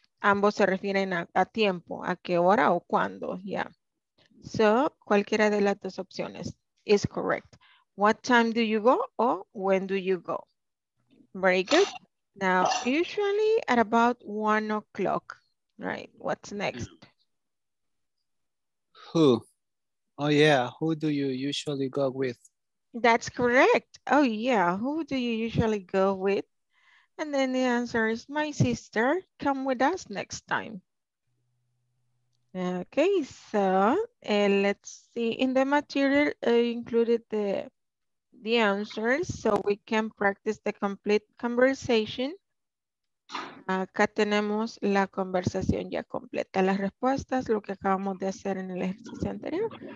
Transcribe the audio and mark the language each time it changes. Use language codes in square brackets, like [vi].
[es] Ambos se refieren a tiempo, a qué hora o cuándo, yeah. So, cualquiera de las dos opciones [en] is correct. What time do you go or when do you go? Very good. Now, usually at about 1 o'clock. Right, what's next? Who? Oh yeah, who do you usually go with? That's correct. Oh yeah, who do you usually go with? And then the answer is my sister. Come with us next time. Okay, so let's see. In the material, I included the answers so we can practice the complete conversation. [es] Acá tenemos la conversación ya completa, las respuestas, lo que acabamos de hacer en el ejercicio anterior.